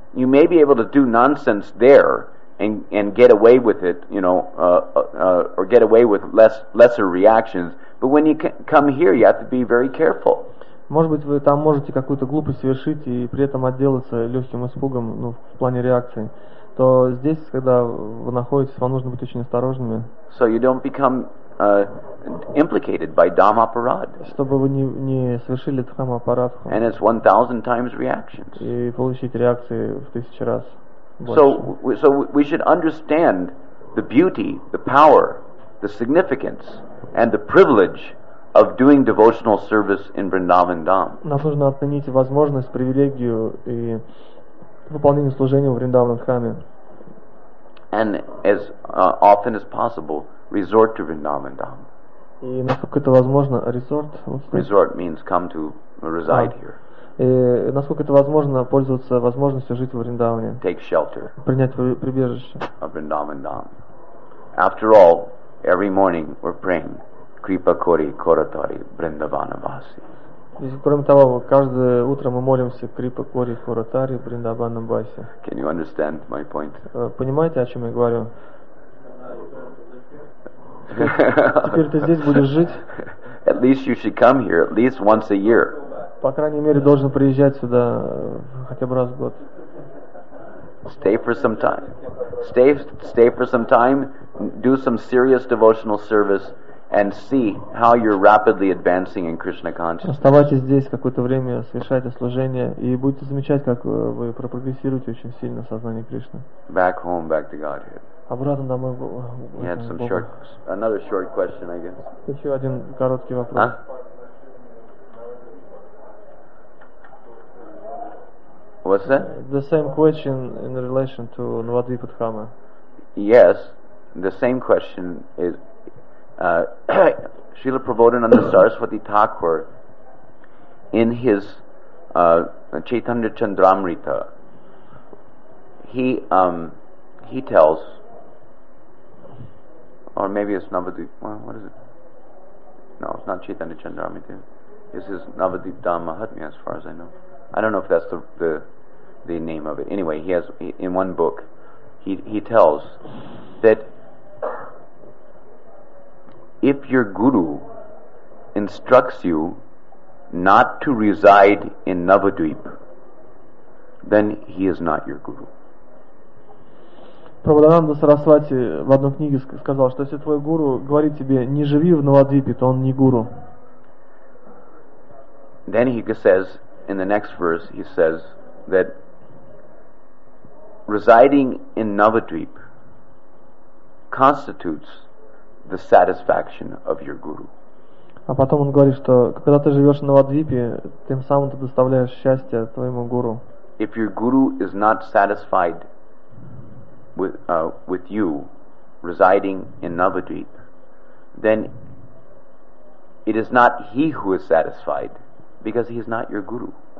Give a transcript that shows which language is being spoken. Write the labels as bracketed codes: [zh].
[en] You may be able to do nonsense there and get away with it, or get away with lesser reactions, but when you come here, you have to be very careful. [ru] Может быть, вы там можете какую-то глупость совершить и при этом отделаться легким испугом, ну, в плане реакции. То здесь, когда вы находитесь, вам нужно быть очень осторожными. [en] So you don't become implicated by dhamma parad. [ru] Чтобы вы не совершили дхамма парадху. [en] And it's 1,000 times reactions. [ru] И получить реакции в 1000 раз. [en] So we should understand the beauty, the power, the significance, and the privilege of doing devotional service in Vrindavan Dham. [ru] Нам нужно оценить возможность, привилегию и выполнение служения в Вриндаван Дхаме. [en] And as often as possible, resort to Vrindavan Dham. [ru] И насколько это возможно, resort. [en] Resort means come to reside here. [ru] И насколько это возможно, пользоваться возможностью жить в Вриндаване. [en] Take shelter. [ru] Принять прибежище. [en] Of Vrindavan Dham. After all, every morning we're praying. [bn] Kripa kori koratari Vrindavana vasi. [ru] Кроме того, каждое утро мы молимся [bn] Kripa kori koratari Vrindavana vasi. [en] Can you understand my point? [ru] Понимаете, о чем я говорю? Теперь ты здесь будешь жить? [en] At least you should come here at least once a year. [ru] По крайней мере, должен приезжать сюда хотя бы раз в год. [en] Stay for some time. Stay for some time. Do some serious devotional service. And see how you're rapidly advancing in Krishna consciousness. [ru] Оставайтесь здесь какое-то время, совершайте служение, и будете замечать, как вы прогрессируете очень сильно в сознании Кришны. [en] Back home, back to Godhead. [ru] Обратно домой. [en] You had some short, another short question, I guess. [ru] Еще один короткий вопрос. Huh? [en] What's that? The same question in relation to Navadvipa Dhamma. Yes, the same question is. Srila Prabodhananda Saraswati Thakur, in his Chaitanya Chandramrita, he tells, or maybe it's Navadvip, what is it? No, it's not Chaitanya Chandramrita. It's his Navadvip Dhammahatmya, as far as I know. I don't know if that's the name of it. Anyway, he has in one book, he tells that if your guru instructs you not to reside in Navadvip, then he is not your guru. [ru] Prabhupada Sarasvati в одной книге сказал, что если твой гуру говорит тебе не живи в Навадвипе, то он не гуру. [en] Then he says in the next verse, he says that residing in Navadvip constitutes the satisfaction of your guru. [ru] А потом он говорит, что когда ты живешь на Вадвипе, тем самым ты доставляешь счастье твоему гуру. [en] If your guru is not satisfied with you residing in Navadvip, then it is not he who is satisfied, because he is not your guru.